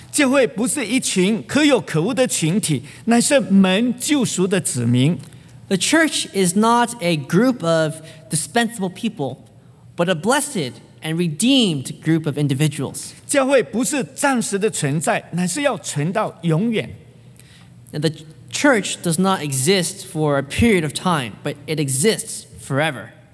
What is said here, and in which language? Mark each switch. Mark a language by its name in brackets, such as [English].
[Chinese] 教会不是一群可有可无的群体，乃是门救赎的子民。 [English] The church is not a group of dispensable people, but a blessed and redeemed group of individuals. [Chinese] 教会不是暂时的存在，乃是要存到永远。 [English] And the church does not exist for a period of time, but it exists forever.